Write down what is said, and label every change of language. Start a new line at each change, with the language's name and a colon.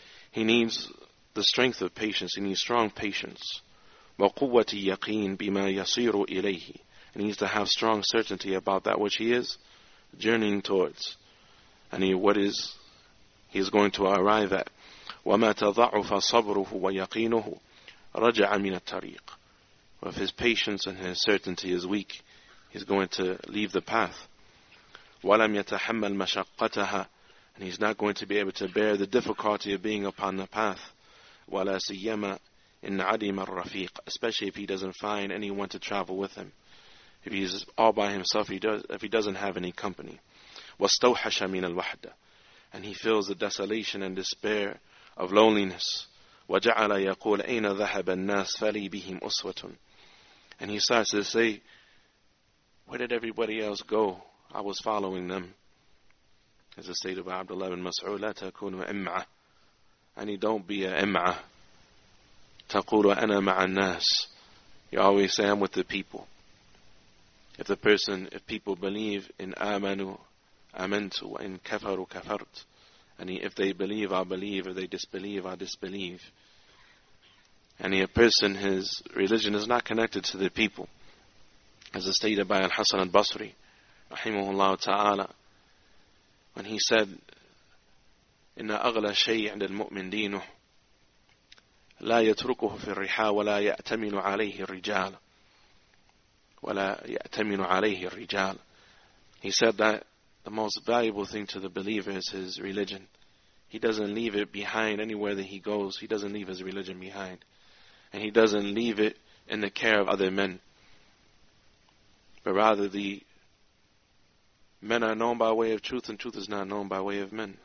English: He needs the strength of patience. He needs strong patience.
Arabic: وَقُوَّةِ يَقِينٍ بِمَا يَصِيرُ إِلَيْهِ.
English: And he needs to have strong certainty about that which he is journeying towards. And what he is going to arrive at.
Arabic: وَمَا تَضَعُفَ صَبْرُهُ وَيَقِينُهُ رَجَعَ مِنَ الطَّرِيقِ.
English: Well, if his patience and his certainty is weak, he's going to leave the path.
Arabic: وَلَمْ يَتَحَمَّلْ مَشَقَّتَهَا.
English: And he's not going to be able to bear the difficulty of being upon the path.
Arabic: وَلَا سِيَّمَا إِنْ عَدِمَ الرَّفِيقِ.
English: Especially if he doesn't find anyone to travel with him. If he's all by himself, if he doesn't have any company.
Arabic: وَاسْتَوْحَشَ مِنَ الْوَحْدَةِ.
English: And he feels the desolation and despair of loneliness.
Arabic: وَجَعَلَ يَقُولَ أَيْنَ ذَهَبَ النَّاسِ فَلِي بِهِمْ أُسْوَةٌ.
English: And he starts to say, where did everybody else go? I was following them. As the state of Abdullah ibn Mas'ud,
Arabic: لَا تَكُونُ إِمْعَةً.
English: And he don't be a إِمْعَةً.
Arabic: تَقُولُ أَنَا مَعَ النَّاسِ.
English: You always say, I'm with the people. If people believe in
Arabic: آمَنُوا آمَنْتُ وَإِن كَفَرُوا كَفَرْتُ.
English: And if they believe, I believe. If they disbelieve, I disbelieve. And a person, his religion is not connected to the people. As is stated by Al-Hasan al-Basri, rahimahullah ta'ala, when he said,
Arabic: إِنَّ أَغْلَى شَيْءٍ عِنْدَ الْمُؤْمِنِ دِينُهُ لَا يَتْرُكُهُ فِي الرِّحَى وَلَا يَأْتَمِنُ عَلَيْهِ الرِّجَالَ وَلَا يَأْتَمِنُ عَلَيْهِ الرِّجَالَ.
English: He said that the most valuable thing to the believer is his religion. He doesn't leave it behind anywhere that he goes. He doesn't leave his religion behind. And he doesn't leave it in the care of other men. But rather, the men are known by way of truth, and truth is not known by way of men.